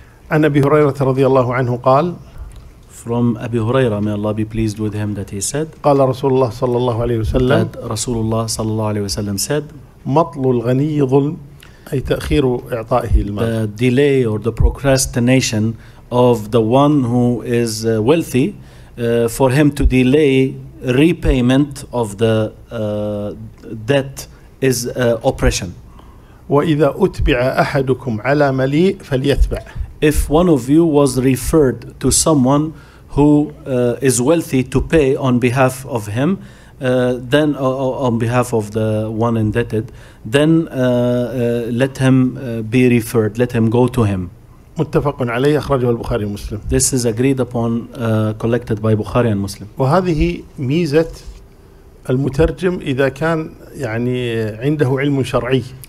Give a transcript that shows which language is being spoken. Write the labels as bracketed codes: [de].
[ar] عن أبي هريرة رضي الله عنه قال [en] From أبي هريرة may Allah be pleased with him that he said [ar] قال رسول الله صلى الله عليه وسلم [en] that [ar] رسول الله صلى الله عليه وسلم [en] said [ar] مطل الغني ظلم أي تأخير إعطائه المال [en] The delay or the procrastination of the one who is wealthy for him to delay repayment of the debt is oppression. [ar] وإذا أتبع أحدكم على مليء فليتبع. [en] If one of you was referred to someone who is wealthy to pay on behalf of him, then on behalf of the one indebted, then let him be referred, let him go to him. [ar] متفق عليه أخرجه البخاري ومسلم. [en] This is agreed upon, collected by Bukhari and Muslim. [ar] وهذه ميزة المترجم إذا كان يعني عنده علم شرعي.